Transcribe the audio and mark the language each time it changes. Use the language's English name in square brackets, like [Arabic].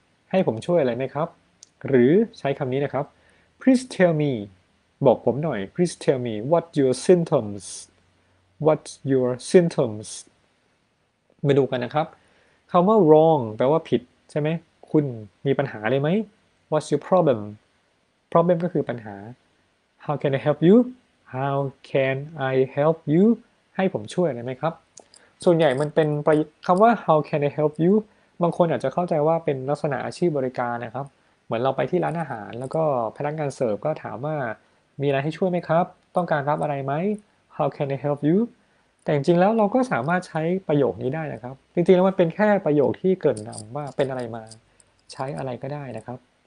[Thai] ให้ผมช่วยอะไรไหมครับหรือใช้คำนี้นะครับ [English] Please tell me [Thai] บอกผมหน่อย [English] Please tell me what's your symptoms? What's your symptoms? [Thai] มาดูกันนะครับคำว่า wrong แปลว่าผิดใช่ไหมคุณมีปัญหาเลยไหม [English] What's your problem? Problem [Thai] ก็คือปัญหา [English] How can I help you? How can I help you [Thai] ให้ผมช่วยได้ไหมครับส่วนใหญ่มันเป็นคำว่า [English] how can I help you [Thai] บางคนอาจจะเข้าใจว่าเป็นลักษณะอาชีพบริการนะครับเหมือนเราไปที่ร้านอาหารแล้วก็พนักงานเสิร์ฟก็ถามว่ามีอะไรให้ช่วยไหมครับต้องการรับอะไรไหม how can I help you แต่จริงๆแล้วเราก็สามารถใช้ประโยคนี้ได้นะครับจริงๆแล้วมันเป็นแค่ประโยคที่เกริ่นนำว่าเป็นอะไรมาใช้อะไรก็ได้นะครับ